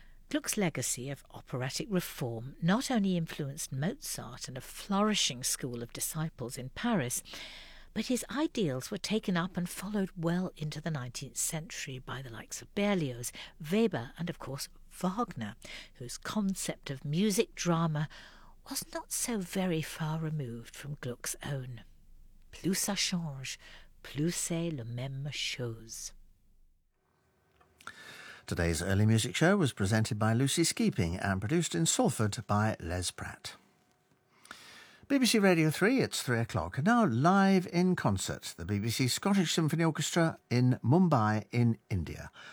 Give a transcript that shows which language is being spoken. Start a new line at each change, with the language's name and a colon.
English: Gluck's legacy of operatic reform not only influenced Mozart and a flourishing school of disciples in Paris, but his ideals were taken up and followed well into the 19th century by the likes of Berlioz, Weber, and of course Wagner, whose concept of music drama was not so very far removed from Gluck's own.
French: Plus ça change, plus c'est la même chose.
English: Today's Early Music Show was presented by Lucy Skeeping and produced in Salford by Les Pratt. BBC Radio 3, it's 3 o'clock. Now live in concert, the BBC Scottish Symphony Orchestra in Mumbai in India.